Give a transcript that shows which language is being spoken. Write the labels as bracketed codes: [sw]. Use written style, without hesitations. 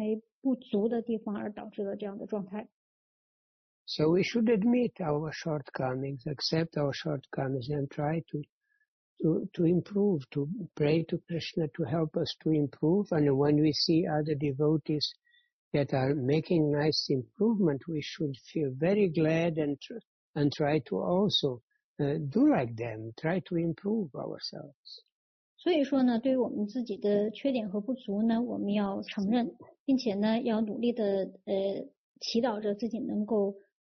[zh] 所以说呢，当我们没有办法让自己变得更加的进步的时候呢，我们要为其负责。我们要觉得是由于自己的一些缺点和自己的还不足的地方而导致了这样的状态。 [en] So we should admit our shortcomings, accept our shortcomings, and try to improve, to pray to Krishna to help us to improve. And when we see other devotees that are making nice improvement, we should feel very glad and try to also do like them, try to improve ourselves. [zh] 所以说呢，对于我们自己的缺点和不足呢，我们要承认，并且呢，要努力的祈祷着自己能够。